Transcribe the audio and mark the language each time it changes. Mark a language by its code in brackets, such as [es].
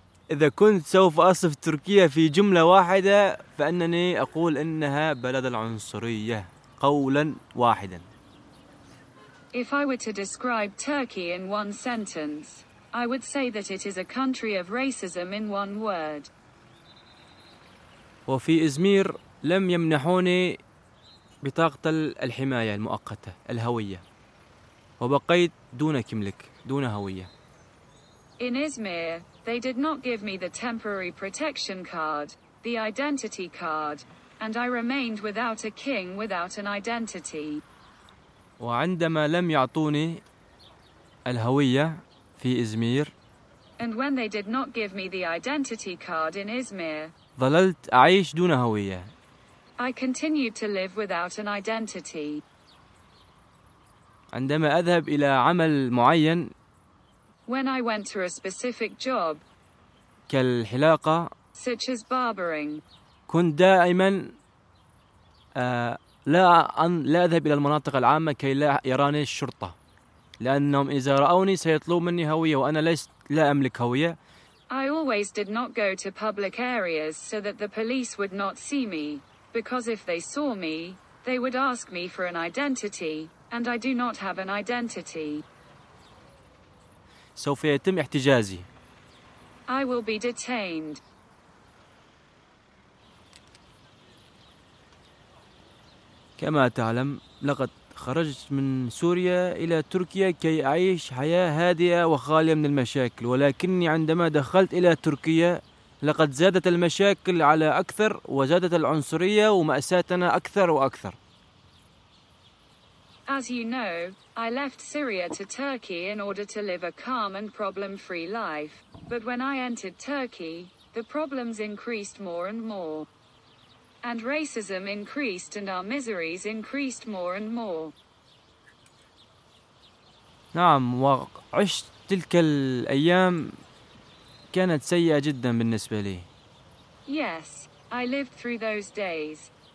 [ar] إذا كنت سوف أصف تركيا في جملة واحدة فأنني أقول إنها بلد العنصرية قولا واحدا. [en] If I were to describe Turkey in one sentence, I would say that it is a country of racism in one word. [ar] وفي إزمير لم يمنحوني بطاقة الحماية المؤقتة الهوية وبقيت دون كملك دون هوية. [en] In Izmir, they did not give me the temporary protection card, the identity card, and I remained without a king, without an identity. [ar] وعندما لم يعطوني الهوية في إزمير, [en] and when they did not give me the identity card in Izmir, [ar] ظللت أعيش دون هوية. [en] I continued to live without an identity. [ar] عندما أذهب إلى عمل معين, [en] when I went to a specific job, [ar] كالحلاقة, [en] such as barbering, [ar] كنت دائما لا أذهب إلى المناطق العامة كي لا يراني الشرطة, لأنهم إذا رأوني سيطلبون مني هوية وأنا لست لا أملك هوية. [en] I always did not go to public areas so that the police would not see me, because if they saw me, they would ask me for an identity, and I do not have an identity. [ar] سوف يتم احتجازي. [en] I will be detained. [ar] كما تعلم لقد خرجت من سوريا إلى تركيا كي أعيش حياة هادئة وخالية من المشاكل, ولكني عندما دخلت إلى تركيا لقد زادت المشاكل على أكثر وزادت العنصرية ومأساتنا أكثر وأكثر. [en] As you know, I left Syria to Turkey in order to live a calm and problem-free life. But when I entered Turkey, the problems increased more and more. And racism increased and our miseries increased more and more. [ar] نعم, وعشت تلك الأيام كانت سيئة جدا بالنسبة لي. [en] Yes, I lived through those days.